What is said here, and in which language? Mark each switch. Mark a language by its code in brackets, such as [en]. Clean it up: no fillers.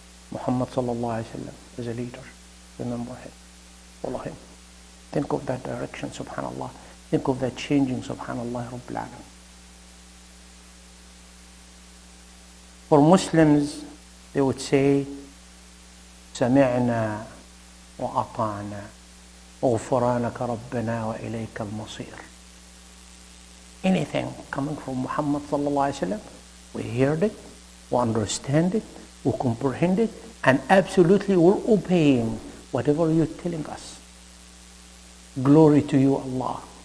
[en] Muhammad sallallahu alayhi wa sallam is a leader. Remember him. Follow him. Think of that direction, subhanAllah. Think of that changing, subhanAllah, Rabbil Alam. For Muslims, they would say, [ar] سَمِعْنَا وَأَطَعْنَا وَغْفُرَانَكَ رَبَّنَا وَإِلَيْكَ الْمَصِيرِ. [en] Anything coming from Muhammad sallallahu alayhi wa sallam, we heard it, we understand it, we comprehend it, and absolutely we're obeying. Whatever you're telling us. Glory to you, Allah.